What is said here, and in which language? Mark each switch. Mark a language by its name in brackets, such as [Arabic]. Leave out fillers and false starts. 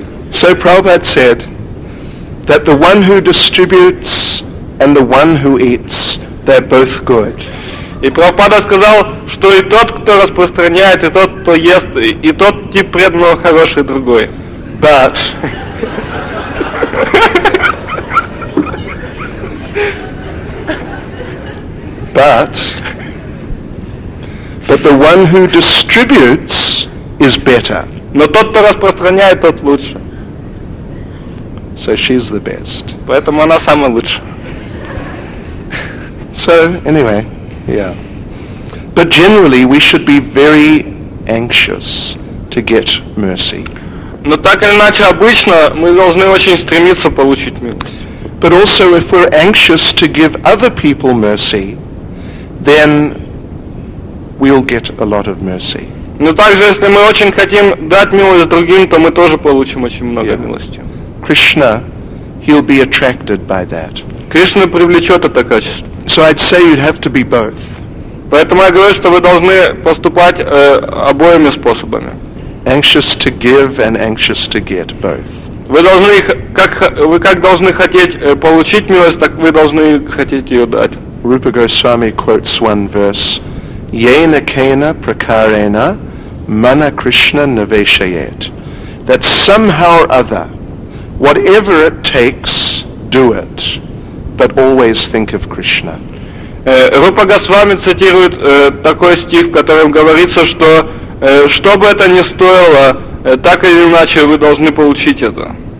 [English] So Prabhupada said that the one who distributes and the one who eats, they're both good. [Russian] И Прабхупада сказал, что и тот, кто распространяет, и тот, кто ест, и тот тип преданного хороший другой. [English] But But the one who distributes is better. [Russian] Но тот, кто распространяет, тот лучше. [English] So she's the best. [Russian] Поэтому она самая лучшая. [English] So anyway, yeah. But generally we should be very anxious to get mercy. [Russian] Но так или иначе обычно мы должны очень стремиться получить милость. [English] But also if we're anxious to give other people mercy, then we'll get a lot of mercy. [Russian] Но также, если мы очень хотим дать милость другим, то мы тоже получим очень много милости. [English] Krishna, he'll be attracted by that. [Russian] Кришна привлечет это качество. [English] So I'd say you'd have to be both. [Russian] Поэтому я говорю, что вы должны поступать обоими способами. [English] Anxious to give and anxious to get both. [Russian] Вы должны хотеть получить милость, так вы должны хотеть ее дать. [English] Rupa Goswami quotes one verse. [Sanskrit] Yena kena prakarena mana Krishna naveshayet. [English] That somehow or other, whatever it takes, do it. But always think of Krishna. [Russian] Rupa Goswami цитирует такой стих, в котором говорится, что что бы это ни стоило, так или иначе вы должны получить это.